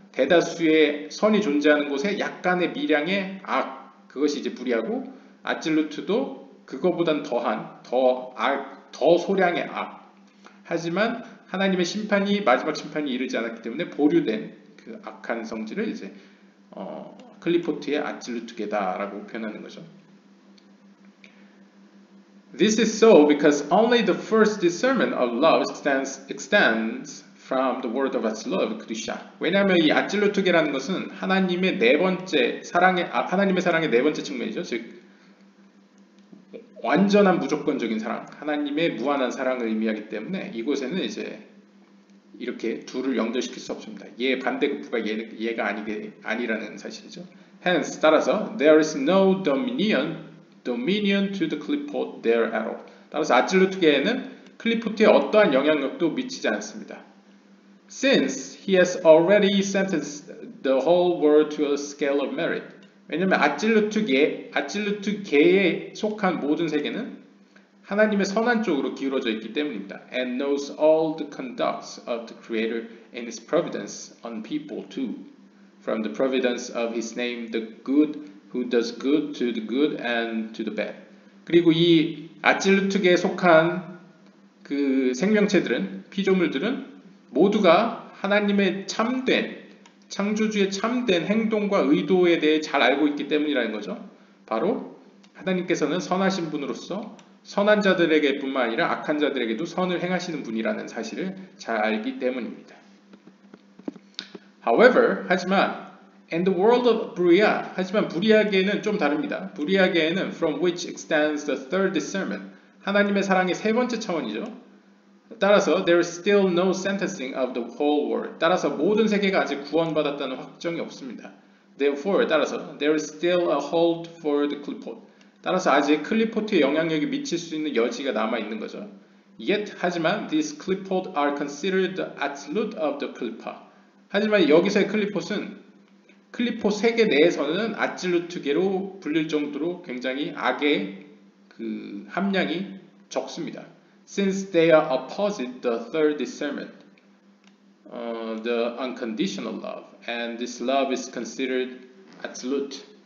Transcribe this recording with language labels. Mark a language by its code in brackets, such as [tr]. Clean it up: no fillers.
[ko] 대다수의 선이 존재하는 곳에 약간의 미량의 악, 그것이 이제 부리하고 아틀루트도 그거보단 더한, 더 악, 더 소량의 악. 하지만 하나님의 심판이, 마지막 심판이 이르지 않았기 때문에 보류된 그 악한 성질을 이제 클리포트의 아틀루트계다라고 표현하는 거죠. [en] This is so because only the first discernment of love extends from the world of Atzilut, Kedusha. [ko] 왜냐하면 이 아틀루트계라는 것은 하나님의 네 번째 사랑의 하나님의 사랑의 네 번째 측면이죠. 즉 완전한 무조건적인 사랑, 하나님의 무한한 사랑을 의미하기 때문에 이곳에는 이제 이렇게 둘을 연결시킬 수 없습니다. 예 반대급부가 예가 아니라는 사실이죠. [en] Hence [ko] 따라서 [en] there is no dominion to the Klippot there at all. [ko] 따라서 아틀루트계에는 클리포트에 어떠한 영향력도 미치지 않습니다. [en] Since he has already sentenced the whole world to a scale of merit. [ko] 왜냐하면 아틀루트계에 속한 모든 세계는 하나님의 선한 쪽으로 기울어져 있기 때문입니다. [en] And knows all the conducts of the Creator in His providence on people too. From the providence of His name, the good who does good to the good and to the bad. [ko] 그리고 이 아틀루트계에 속한 그 생명체들은, 피조물들은 모두가 하나님의 참된, 창조주의 참된 행동과 의도에 대해 잘 알고 있기 때문이라는 거죠. 바로 하나님께서는 선하신 분으로서 선한 자들에게 뿐만 아니라 악한 자들에게도 선을 행하시는 분이라는 사실을 잘 알기 때문입니다. [en] However, [ko] 하지만, [en] in the world of Bria, [ko] 하지만 부리아계는 좀 다릅니다. 부리아계는 [en] from which extends the third discernment, [ko] 하나님의 사랑의 세 번째 차원이죠. 따라서 [en] there is still no sentencing of the whole world. [ko] 따라서 모든 세계가 아직 구원받았다는 확정이 없습니다. [en] Therefore, [ko] 따라서 [en] there is still a hold for the Klippot. [ko] 따라서 아직 클리포트의 영향력이 미칠 수 있는 여지가 남아 있는 거죠. [en] Yet, [ko] 하지만 [en] these Klippot are considered the absolute of the Klippa. [ko] 하지만 여기서의 클리포트는 클리포 세계 내에서는 아틀루트계로 불릴 정도로 굉장히 악의 그 함량이 적습니다. [en] Since they are opposite the third discernment, the unconditional love, and this love is considered absolute.